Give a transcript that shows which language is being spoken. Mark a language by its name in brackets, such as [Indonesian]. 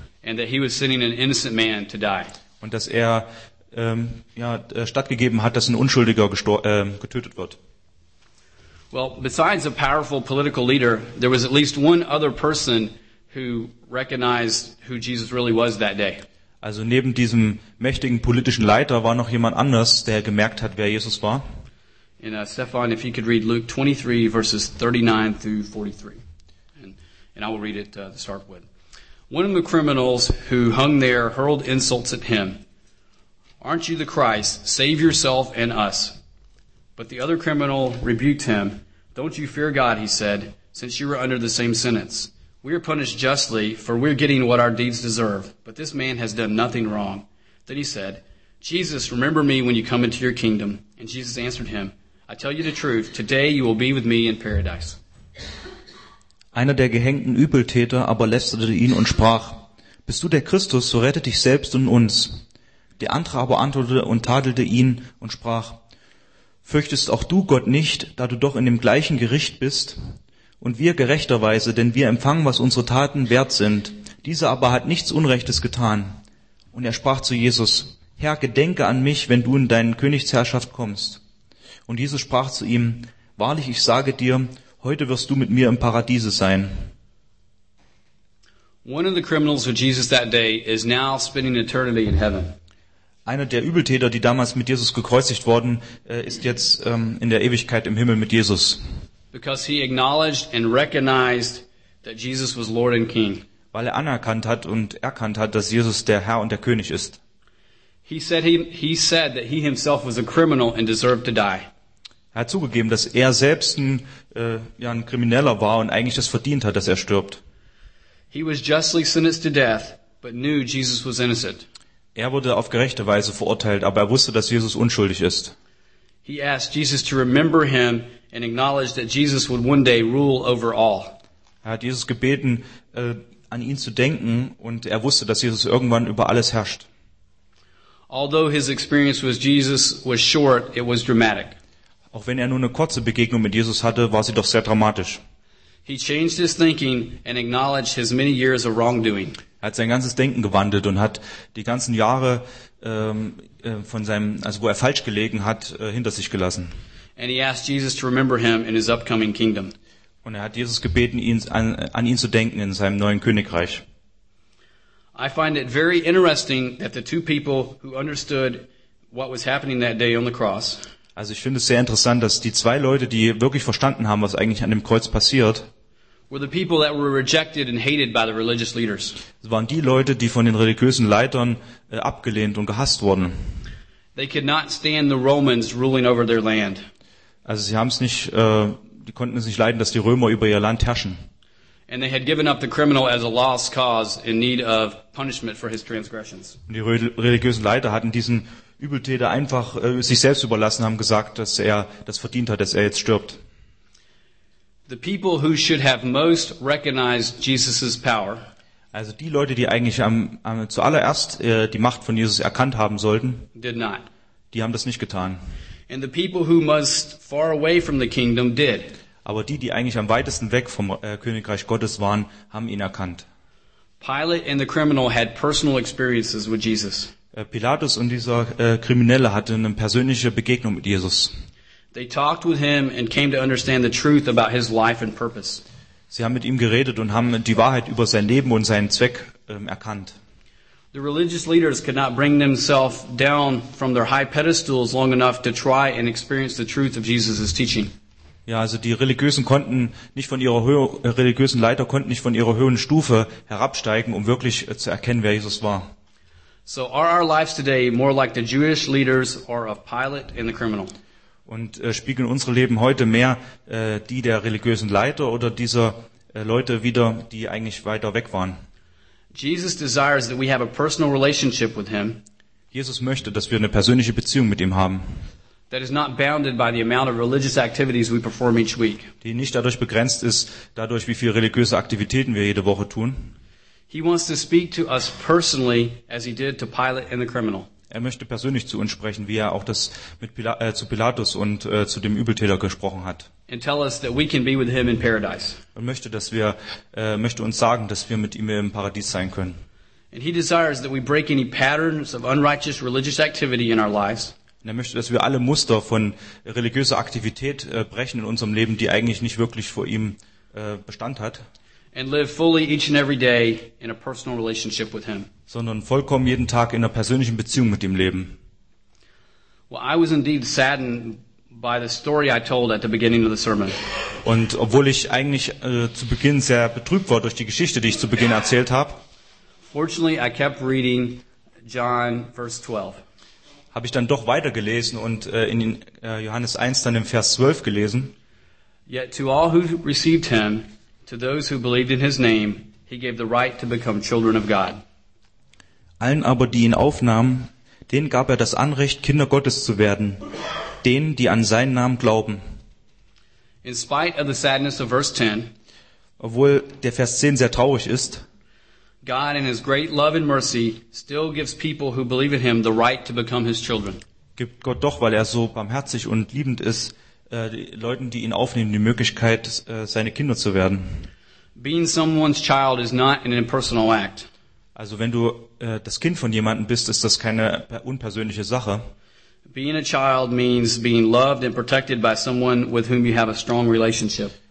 [English] And that he was sending an innocent man to die. [German] Und dass er stattgegeben hat, dass ein Unschuldiger getötet wird. [English] Well, besides a powerful political leader, there was at least one other person who recognized who Jesus really was that day. [German] Also neben diesem mächtigen politischen Leiter war noch jemand anders, der gemerkt hat, wer Jesus war. [English] And Stefan, if you could read Luke 23, verses 39 through 43. And I will read it to start with. "One of the criminals who hung there hurled insults at him. 'Aren't you the Christ? Save yourself and us.' But the other criminal rebuked him. 'Don't you fear God,' he said, 'since you were under the same sentence. We are punished justly, for we are getting what our deeds deserve. But this man has done nothing wrong.' Then he said, 'Jesus, remember me when you come into your kingdom.' And Jesus answered him, 'I tell you the truth, today you will be with me in paradise.' [German] Einer der gehängten Übeltäter aber lästerte ihn und sprach, 'Bist du der Christus, so rette dich selbst und uns.' Der andere aber antwortete und tadelte ihn und sprach, fürchtest auch du Gott nicht, da du doch in dem gleichen Gericht bist? Und wir gerechterweise, denn wir empfangen, was unsere Taten wert sind. Dieser aber hat nichts Unrechtes getan. Und er sprach zu Jesus, Herr, gedenke an mich, wenn du in deine Königsherrschaft kommst. Und Jesus sprach zu ihm, wahrlich, ich sage dir, heute wirst du mit mir im Paradiese sein. [English] One of the criminals with Jesus that day is now spending eternity in heaven. [German] Einer der Übeltäter, die damals mit Jesus gekreuzigt worden, ist jetzt in der Ewigkeit im Himmel mit Jesus. [English] Because he acknowledged and recognized that Jesus was Lord and King. [German] Weil er anerkannt hat und erkannt hat, dass Jesus der Herr und der König ist. [English] He said that he himself was a criminal and deserved to die. [German] Er hat zugegeben, dass er selbst ein Krimineller war und eigentlich das verdient hat, dass er stirbt. [English] He was justly sentenced to death, but knew Jesus was innocent. [German] Er wurde auf gerechte Weise verurteilt, aber er wusste, dass Jesus unschuldig ist. [English] He asked Jesus to remember him and acknowledged that Jesus would one day rule over all. [German] Er hat Jesus gebeten, an ihn zu denken, und er wusste, dass Jesus irgendwann über alles herrscht. [English] Although his experience with Jesus was short, it was dramatic. [German] Auch wenn er nur eine kurze Begegnung mit Jesus hatte, war sie doch sehr dramatisch. [English] He changed his thinking and acknowledged his many years of wrongdoing. [German] Er hat sein ganzes Denken gewandelt und hat die ganzen Jahre wo er falsch gelegen hat, hinter sich gelassen. [English] And he asked Jesus to remember him in his upcoming kingdom. [German] Und er hat Jesus gebeten, an ihn zu denken in seinem neuen Königreich. [English] I find it very interesting that the two people who understood what was happening that day on the cross. [German] Also ich finde es sehr interessant, dass die zwei Leute, die wirklich verstanden haben, was eigentlich an dem Kreuz passiert, waren die Leute, die von den religiösen Leitern abgelehnt und gehasst wurden. [English] They could not stand the Romans ruling over their land. [German] Also sie haben es nicht, die konnten es nicht leiden, dass die Römer über ihr Land herrschen. [English] And they had given up the criminal as a lost cause in need of punishment for his transgressions. [German] Und die religiösen Leiter hatten diesen Übeltäter einfach sich selbst überlassen, haben gesagt, dass er das verdient hat, dass er jetzt stirbt. [English] The people who should have most recognized Jesus's power. [German] Also die Leute, die eigentlich zuallererst die Macht von Jesus erkannt haben sollten, [English] did not. [German] Die haben das nicht getan. [English] And the people who most far away from the kingdom did. [German] Aber die eigentlich am weitesten weg vom Königreich Gottes waren, haben ihn erkannt. [English] Pilate and the criminal had personal experiences with Jesus. [German] Pilatus und dieser Kriminelle hatten eine persönliche Begegnung mit Jesus. [English] They talked with him and came to understand the truth about his life and purpose. [German] Sie haben mit ihm geredet und haben die Wahrheit über sein Leben und seinen Zweck erkannt. [English] The religious leaders could not bring themselves down from their high pedestals long enough to try and experience the truth of Jesus' teaching. [German] Ja, also die Religiösen konnten nicht von ihrer religiösen Leiter konnten nicht von ihrer höheren Stufe herabsteigen, um wirklich zu erkennen, wer Jesus war. [English] So are our lives today more like the Jewish leaders or of Pilate and the criminal? [German] Und spiegeln unsere Leben heute mehr die der religiösen Leiter oder dieser Leute wider, die eigentlich weiter weg waren? [English] Jesus desires that we have a personal relationship with him. [German] Jesus möchte, dass wir eine persönliche Beziehung mit ihm haben. [English] That is not bounded by the amount of religious activities we perform each week. [German] Die nicht dadurch begrenzt ist, dadurch wie viele religiöse Aktivitäten wir jede Woche tun. [English] He wants to speak to us personally as he did to Pilate and the criminal. [German] Er möchte persönlich zu uns sprechen, wie er auch das mit Pilatus und zu dem Übeltäter gesprochen hat. [English] And tell us that we can be with him in paradise. [German] Und möchte, dass wir möchte uns sagen, dass wir mit ihm im Paradies sein können. [English] And he desires that we break any patterns of unrighteous religious activity in our lives. [German] Und er möchte, dass wir alle Muster von religiöser Aktivität brechen in unserem Leben, die eigentlich nicht wirklich vor ihm Bestand hat. [English] And live fully each and every day in a personal relationship with him. [German] Sondern vollkommen jeden Tag in einer persönlichen Beziehung mit ihm leben. [English] Well, I was indeed saddened by the story I told at the beginning of the sermon. [German] Und obwohl ich eigentlich zu Beginn sehr betrübt war durch die Geschichte, die ich zu Beginn erzählt habe. [English] Fortunately, I kept reading John verse 12. [German] Habe ich dann doch weitergelesen und in Johannes 1 dann im Vers 12 gelesen. [English] Yet to all who received him, to those who believed in his name, he gave the right to become children of God. [German] Allen aber, die ihn aufnahmen, denen gab er das Anrecht, Kinder Gottes zu werden, denen, die an seinen Namen glauben. [English] In spite of the sadness of verse 10, [German] obwohl der Vers 10 sehr traurig ist, [English] God in his great love and mercy still gives people who believe in him the right to become his children. [German] Gibt Gott doch, weil so barmherzig und liebend ist, Leuten, die ihn aufnehmen, die Möglichkeit, seine Kinder zu werden. [English] Being someone's child is not an impersonal act. [German] Also wenn du das Kind von jemandem bist, ist das keine unpersönliche Sache. [English] Being a child means being loved and protected by someone with whom you have a strong relationship.